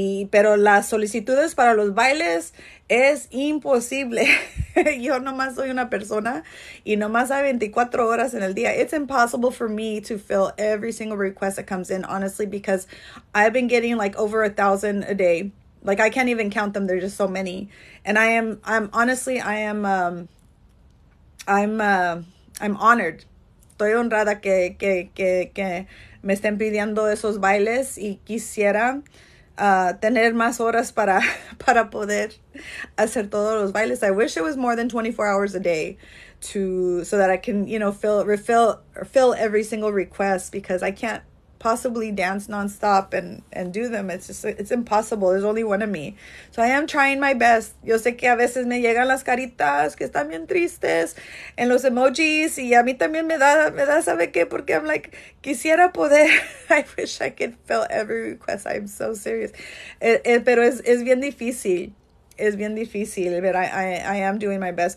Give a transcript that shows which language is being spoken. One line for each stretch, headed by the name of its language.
Spanish: Pero las solicitudes para los bailes es imposible. Yo nomás soy una persona y nomás hay 24 horas en el día.
English: It's impossible for me to fill every single request that comes in, honestly, because I've been getting like over 1,000 a day. Like, I can't even count them. There's just so many. And I'm honored.
Spanish: Estoy honrada que me estén pidiendo esos bailes y quisiera tener más horas para poder hacer todos los bailes.
English: I wish it was more than 24 hours a day to so that I can, fill every single request, because I can't possibly dance nonstop and do them. It's impossible. There's only one of me. So I am trying my best.
Spanish: Yo sé que a veces me llegan las caritas que están bien tristes en los emojis, y a mí también me da, ¿sabe qué?
English: Porque I'm like,
Spanish: quisiera poder.
English: I wish I could fill every request. I'm so serious.
Spanish: Pero es bien difícil. Es bien difícil,
English: but I am doing my best.